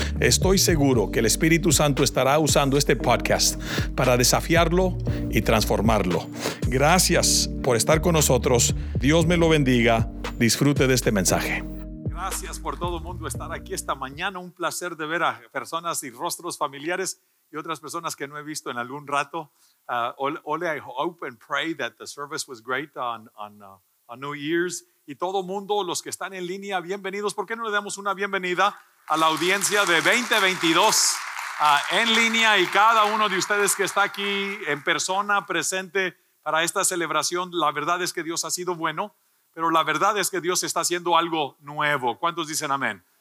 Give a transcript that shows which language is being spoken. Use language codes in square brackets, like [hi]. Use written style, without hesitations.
[es] Estoy seguro que el Espíritu Santo estará usando este podcast para desafiarlo y transformarlo. Gracias por estar con nosotros. Dios me lo bendiga. Disfrute de este mensaje. Gracias por todo el mundo estar aquí esta mañana. Un placer de ver a personas y rostros familiares y otras personas que no he visto en algún rato. [en] I hope and pray that the service was great on New Year's. [es] Y todo el mundo, los que están en línea, bienvenidos. ¿Por qué no le damos una bienvenida a la audiencia de 2022 en línea? Y cada uno de ustedes que está aquí en persona, presente para esta celebración, la verdad es que Dios ha sido bueno. Pero la verdad es que Dios está haciendo algo nuevo. ¿Cuántos dicen amén?